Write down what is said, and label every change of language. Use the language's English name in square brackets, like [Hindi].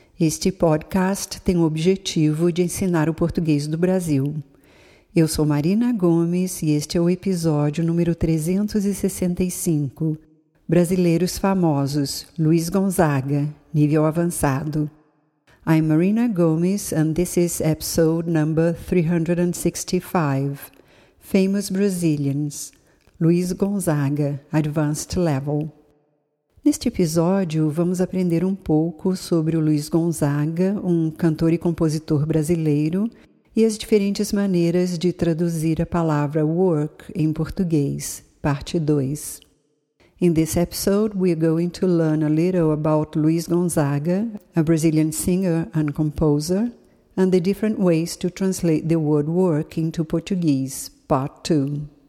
[Portuguese] Este podcast tem o objetivo de ensinar o português do Brasil. Eu sou Marina Gomes e este é o episódio número 365. Brasileiros famosos, Luiz Gonzaga, nível avançado. [English] I'm Marina Gomes and this is episode number 365. Famous Brazilians, Luiz Gonzaga, Advanced Level. [Portuguese] Neste episódio, vamos aprender um pouco sobre o Luiz Gonzaga, um cantor e compositor brasileiro, e as diferentes maneiras de traduzir a palavra work em português, parte 2. [English] In this episode, we're going to learn a little about Luiz Gonzaga, a Brazilian singer and composer, and the different ways to translate the word work into Portuguese, part 2.